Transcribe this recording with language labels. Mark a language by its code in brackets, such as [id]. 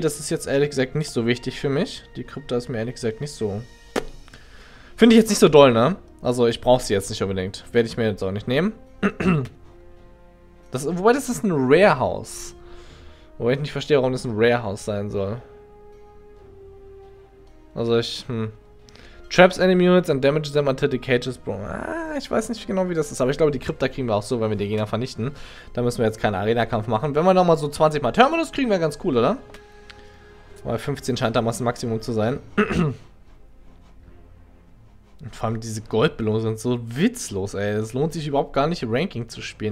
[de] Das ist jetzt ehrlich gesagt nicht so wichtig für mich. Die Krypta ist mir ehrlich gesagt nicht so... Finde ich jetzt nicht so doll, ne? Also ich brauche sie jetzt nicht unbedingt. Werde ich mir jetzt auch nicht nehmen. Wobei, das ist ein Rare House. Wobei ich nicht verstehe, warum das ein Rare House sein soll. Also ich... [en] Traps enemy units and damage them until the cage is broken. [de] Ah, ich weiß nicht genau, wie das ist, aber ich glaube, die Krypta kriegen wir auch so, wenn wir die Gegner vernichten. Da müssen wir jetzt keinen Arena-Kampf machen. Wenn wir nochmal so 20 mal Terminus kriegen, wäre ganz cool, oder? Weil 15 scheint damals Maximum zu sein. Und vor allem diese Goldbelohnungen sind so witzlos, ey. Es lohnt sich überhaupt gar nicht, Ranking zu spielen.